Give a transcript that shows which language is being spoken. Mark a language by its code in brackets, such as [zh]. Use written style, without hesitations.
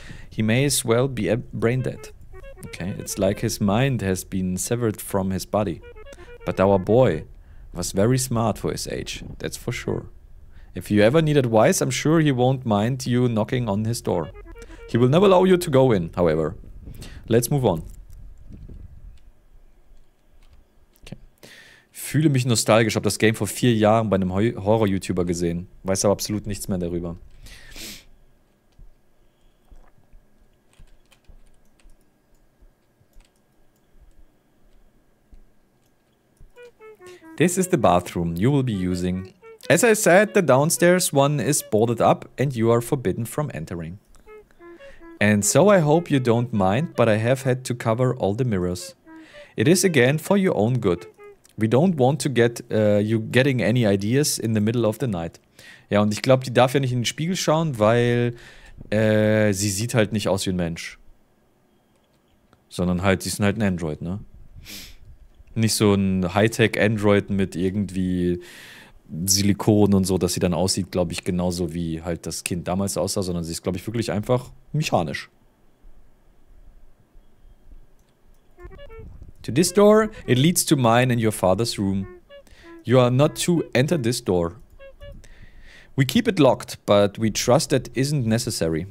[en] He may as well be a brain dead. Okay, it's like his mind has been severed from his body. But our boy was very smart for his age, that's for sure. If you ever need advice, I'm sure he won't mind you knocking on his door. He will never allow you to go in, however. Let's move on. [de] Fühle mich nostalgisch, habe das Game vor 4 Jahren bei einem Horror-YouTuber gesehen. Weiß aber absolut nichts mehr darüber. [en] This is the bathroom you will be using. As I said, the downstairs one is boarded up and you are forbidden from entering. And so I hope you don't mind, but I have had to cover all the mirrors. It is again for your own good. We don't want to get you getting any ideas in the middle of the night. [de] Ja, und ich glaube, die darf ja nicht in den Spiegel schauen, weil sie sieht halt nicht aus wie ein Mensch. Sondern halt, sie ist halt ein Android, ne? Nicht so ein Hightech-Android mit irgendwie Silikon und so, dass sie dann aussieht, glaube ich, genauso wie halt das Kind damals aussah, sondern sie ist, glaube ich, wirklich einfach mechanisch. [en] To this door, it leads to mine and your father's room. You are not to enter this door. We keep it locked, but we trust that isn't necessary.